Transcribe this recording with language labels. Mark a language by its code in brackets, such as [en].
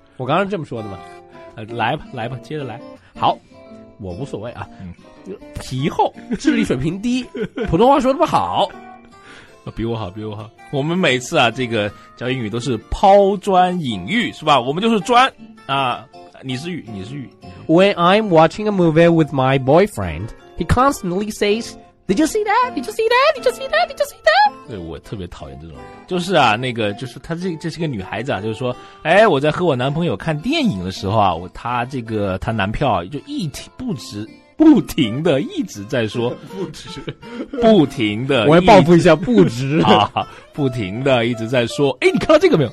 [zh] 我刚刚这么说的嘛，来吧来吧，接着来。好，我无所谓啊，皮厚，智力水平低，普通话说的不好，比我好比我好。我们每次啊这个教英语都是抛砖引玉是吧，我们就是砖啊。你是玉，你是玉。 [en] When I'm watching a movie with my boyfriend, he constantly says, "Did you see that? Did you see that? Did you see that? Did you see that?" [zh] 对，我特别讨厌这种人。就是啊，那个，就是他这是个女孩子啊，就是说，哎，我在和我男朋友看电影的时候啊，他这个他男票就不停的一直在说不停的，我要报复一下不值啊，不停的一直在说，哎，你看到这个没有？